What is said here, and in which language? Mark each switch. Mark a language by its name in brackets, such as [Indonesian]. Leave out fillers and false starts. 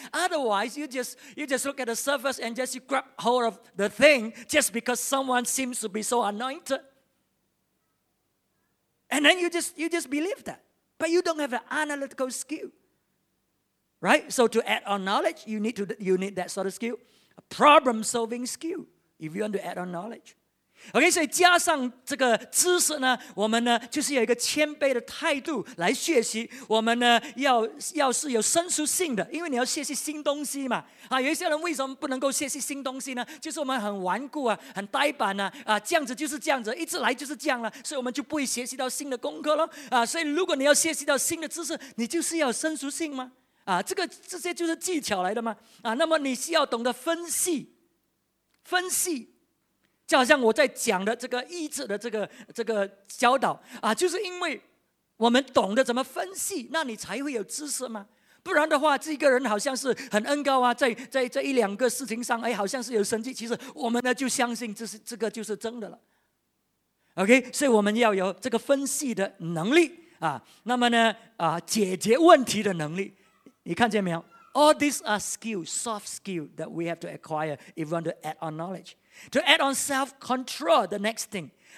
[English] Otherwise, you just look at the surface and just you grab hold of the thing just because someone seems to be so anointed. And then you just believe that. But you don't have an analytical skill. Right? So to add on knowledge, you need that sort of skill. A problem-solving skill, if you want to add on knowledge. Okay, so [Chinese] 加上这个知识呢, 我们呢, 就是有一个谦卑的态度来学习, 我们呢, 要是有生疏性的, 因为你要学习新东西嘛, 有一些人为什么不能够学习新东西呢? 就是我们很顽固啊, 很呆板啊, 这样子就是这样子, 一直来就是这样了, 所以我们就不会学习到新的功课咯, 所以如果你要学习到新的知识, 你就是要生疏性吗? 这些就是技巧来的吗? 那么你需要懂得分析, 分析, 就好像我在讲的这个医治的这个教导，就是因为我们懂得怎么分析，那你才会有知识吗？不然的话，这一个人好像是很恩高啊，在一两个事情上，好像是有神迹，其实我们呢就相信这个就是真的了。OK，所以我们要有这个分析的能力，那么呢，解决问题的能力，你看见没有？ [English] All these are skills, soft skills that we have to acquire if we want to add on knowledge. To add on self-control, the next thing.